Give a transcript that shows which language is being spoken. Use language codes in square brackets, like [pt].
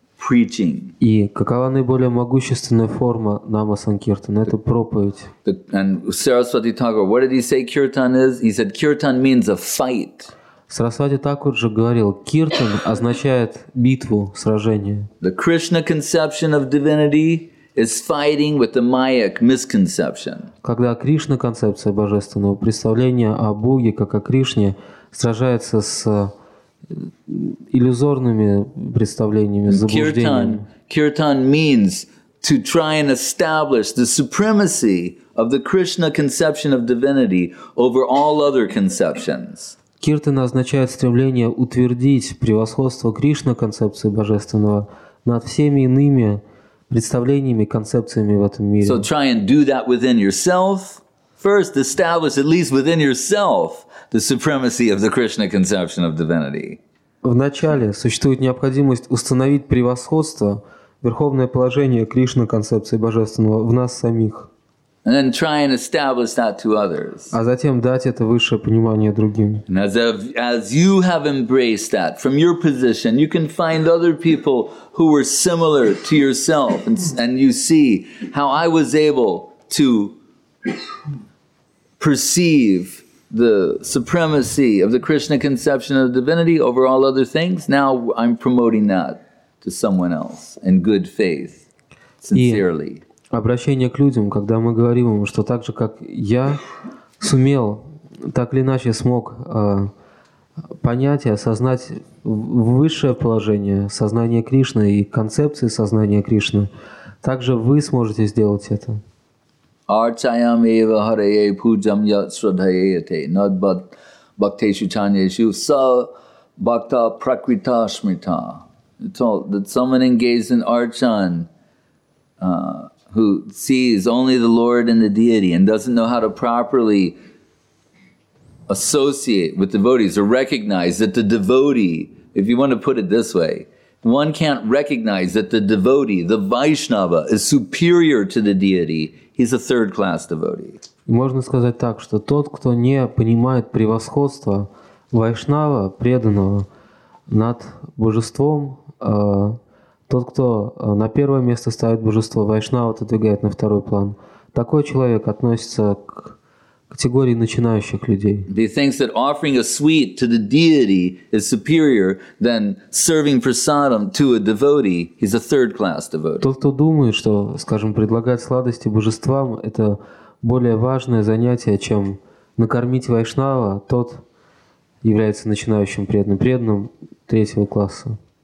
[ru] И какова наиболее могущественная форма Нама Санкиртана? Это проповедь. И Сарасвати Такур же говорил, киртан означает битву, сражение. [en] The Krishna conception of divinity is fighting with the mayic misconception. [ru] Когда Кришна концепция божественного, представление о Боге как о Кришне, сражается с иллюзорными представлениями, заблуждениями. [en] Киртан means to try and establish the supremacy of the Krishna conception of divinity over all other conceptions. [ru] Киртана означает стремление утвердить превосходство Кришны концепции божественного над всеми иными представлениями, концепциями в этом мире. [en] So try and do that within yourself. First, establish at least within yourself the supremacy of the Krishna conception of divinity. [ru] Вначале существует необходимость установить превосходство, верховное положение Кришны концепции божественного в нас самих. [en] And then try and establish that to others. [ru] А затем дать это высшее понимание другим. [en] And as you have embraced that from your position, you can find other people who were similar to yourself, and you see how I was able to perceive the supremacy of the Krishna conception of divinity over all other things. Now I'm promoting that to someone else in good faith, sincerely. [ru] Обращение к людям, когда мы говорим им, что так же, как я сумел, так или иначе смог понять и осознать высшее положение сознания Кришны и концепции сознания Кришны, также вы сможете сделать это. [sa] Арчаям ева харее пуджам ят срадхаете над бхактешу чанешу са бхакта пракрита шмита. [en] It's all that someone engaged in Archan, who sees only the Lord and the deity and doesn't know how to properly associate with devotees or recognize that the devotee, if you want to put it this way, one can't recognize that the devotee, the Vaishnava, is superior to the deity, he's a third class devotee. [ru] Можно сказать так, что тот, кто не понимает превосходство Вайшнава, преданного, над божеством, тот, кто на первое место ставит божество, вайшнава отодвигает на второй план. Такой человек относится к категории начинающих людей. [en] He thinks that offering a sweet to the deity is superior than serving prasadam to a devotee. He's a third class devotee. [ru] Тот, кто думает, что, скажем, предлагать сладости божествам – это более важное занятие, чем накормить вайшнава, тот является начинающим преданным, преданным третьего класса.